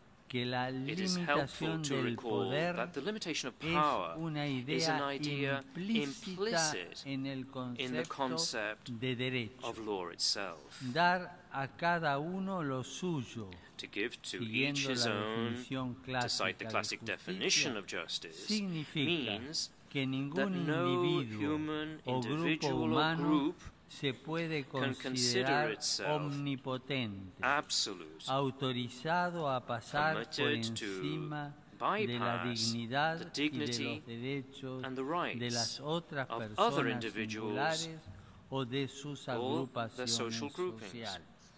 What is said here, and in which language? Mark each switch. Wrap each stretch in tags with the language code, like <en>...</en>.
<es>que la limitación del poder es una idea implícita en el concepto de derecho. Dar a cada uno lo suyo</es> <en>to give to each his own, to cite the classic definition of justice, means that no human individual or group</en> <es>se puede considerar omnipotente,</es> <en>absolute,</en> <es>autorizado a pasar por encima de la dignidad y de los derechos de las otras personas singulares o de sus agrupaciones sociales.</es>